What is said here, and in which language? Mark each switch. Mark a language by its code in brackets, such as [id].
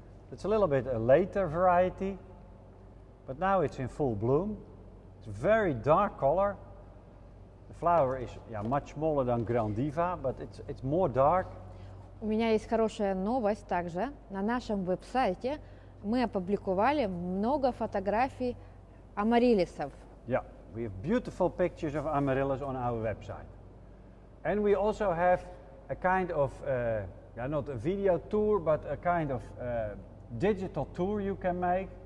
[en] It's a little bit a later variety, but now it's in full bloom. It's a very dark color. The flower is much smaller than Grand Diva, but it's more dark. [ru] У меня есть хорошая новость также. На нашем веб-сайте мы опубликовали много фотографий амариллисов. [en] Yeah, we have beautiful pictures of amaryllis on our website. And we also have a kind of, not a video tour, but a kind of digital tour you can make.